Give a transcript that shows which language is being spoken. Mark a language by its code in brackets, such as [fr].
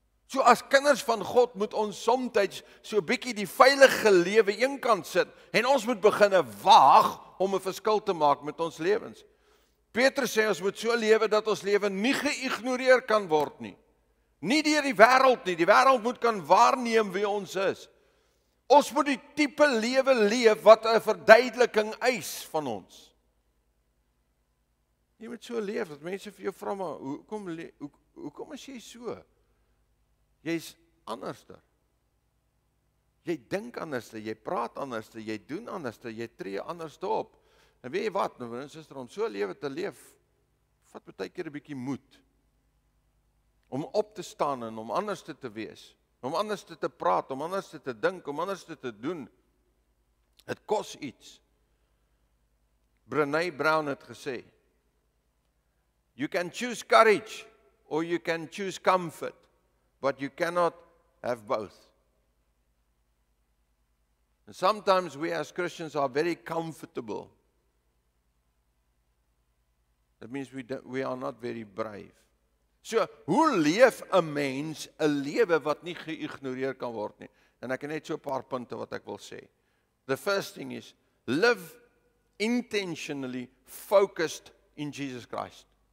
[af] So as kinders van God moet ons somtijds so bietjie die veilige lewe een kant sit en ons moet beginne waag om een verskil te maak met ons levens. Petrus sê ons moet so lewe dat ons lewe nie geïgnoreer kan word nie. Nie deur die wêreld nie, die wêreld moet kan waarneem wie ons is. Ons moet die type lewe leef wat een verduideliking eis van ons. Jy moet so leef dat mense vir jou vra, maar hoekom is jy so? Jy is anders. Jy dink anders, jy praat anders, jy doen anders, jy tree anders op. En weet jy wat, my broer en suster, om so lewe te leef, vat baie keer 'n bietjie moed. Om op te staan en om anders te wees, om anders te praat, om anders te dink, om anders te doen. Het kos iets. [en] Brené Brown [af] het gesê, [en] "You can choose courage or you can choose comfort, but you cannot have both." And sometimes we as Christians are very comfortable. That means we are not very brave. [af] So, hoe leef 'n mens 'n lewe wat nie geïgnoreer kan word nie? En ek het net so 'n paar punte wat ek wil sê. [en] The first thing is, live intentionally focused in Jesus Christ.